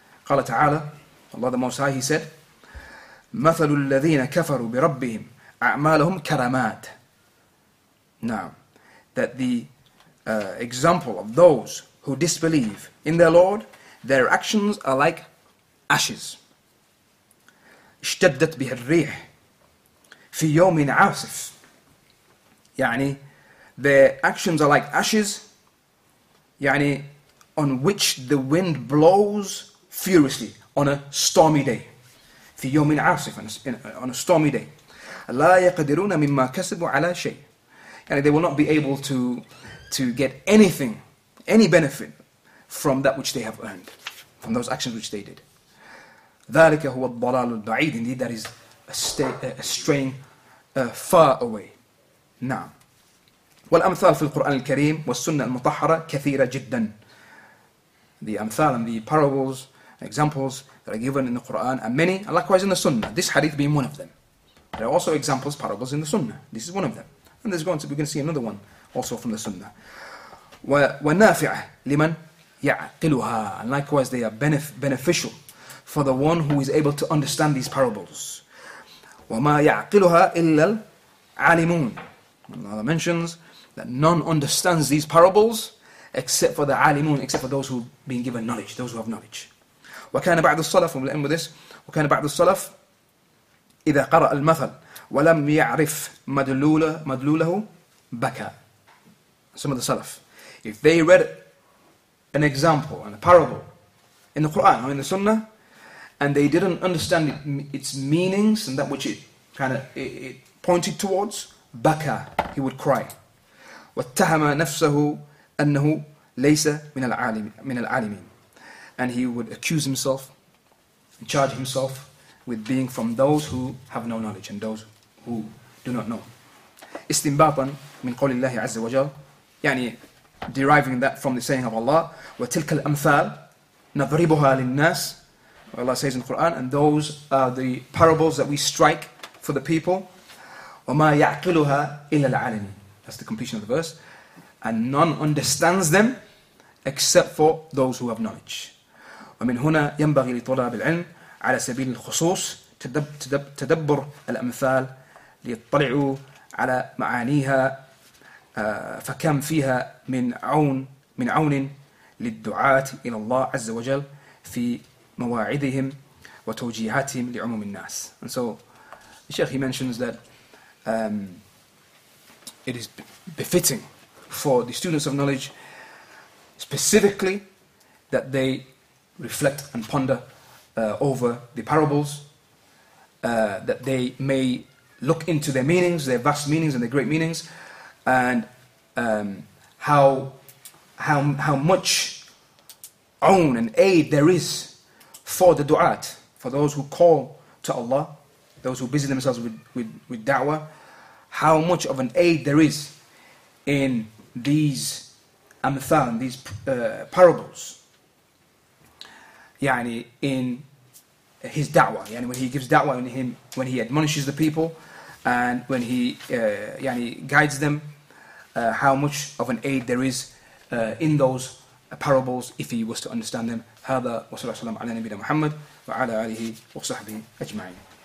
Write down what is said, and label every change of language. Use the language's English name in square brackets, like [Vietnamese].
[Arabic] قَالَ تَعَالَى, [English] Allah the Most High, he said, [Arabic] مَثَلُ الَّذِينَ كَفَرُوا بِرَبِّهِمْ أعمالهم كرامات. نعم. [English] that the example of those who disbelieve in their Lord, their actions are like ashes. [Arabic] اشتدت بها الريح في يوم عاصف. يعني [English] their actions are like ashes, يعني on which the wind blows furiously on a stormy day. [Arabic] في يوم عاصف, [English] on a stormy day. [Arabic] لا يقدرون مما كسبوا على شيء. يعني [English] they will not be able to get anything, any benefit from that which they have earned, from those actions which they did. [Arabic] ذلك هو الضلال البعيد. [English] Indeed, that is a straying far away. [Arabic] نعم. والأمثال في القرآن الكريم والسنة المطهرة كثيرة جدا. [English] The أمثال and the parables, examples that are given in the Quran are many, and likewise in the Sunnah. This hadith being one of them. There are also examples, parables in the Sunnah. This is one of them. And there's going to we're going to see another one also from the Sunnah. [Arabic] ونافعة لمن يعقلها. [English] And likewise, they are beneficial for the one who is able to understand these parables. [Arabic] وما يعقلها إلا العالمون. [English] Allah mentions that none understands these parables except for the عالمون, except for those who have been given knowledge, those who have knowledge. [Arabic] وكان بعض الصلف, [English] and we'll end with this, [Arabic] وكان بعض الصلف إذا قرأ المثل ولم يعرف مدلوله بكى. [English] Some of the salaf, if they read an example and a parable in the Quran or in the Sunnah, and they didn't understand its meanings and that which it pointed towards, [Arabic] بكى, [English] he would cry. [Arabic] واتهم نفسه أنه ليس من العالمين. [English] And he would accuse himself, charge himself with being from those who have no knowledge and those who do not know. [Arabic] استنباطا من قول الله عز وجل, يعني [English] deriving that from the saying of Allah, [Arabic] وتلك الأمثال نضربها للناس. [English] Allah says in the Quran, and those are the parables that we strike for the people. [Arabic] وما يعقلها إلا العالمين. [English] That's the completion of the verse. And none understands them except for those who have knowledge. [Arabic] ومن هنا ينبغي لطلاب العلم على سبيل الخصوص تدبر الأمثال ليطلعوا على معانيها فكم فيها من عون للدعاة إلى الله عز وجل في مواعدهم وتوجيهاتهم لعموم الناس. [English] And so the Sheikh, he mentions that it is befitting for the students of knowledge specifically that they reflect and ponder over the parables, that they may look into their meanings, their vast meanings and their great meanings, and how much own and aid there is for the du'at, for those who call to Allah, those who busy themselves with da'wah, how much of an aid there is in these amthal, these parables, yani in his da'wah, yani when he gives da'wah in him, when he admonishes the people, and when he yani guides them, how much of an aid there is in those parables if he was to understand them. [Arabic] هذا وصلى الله عليه وسلم على نبينا محمد وعلى آله وصحبه أجمعين.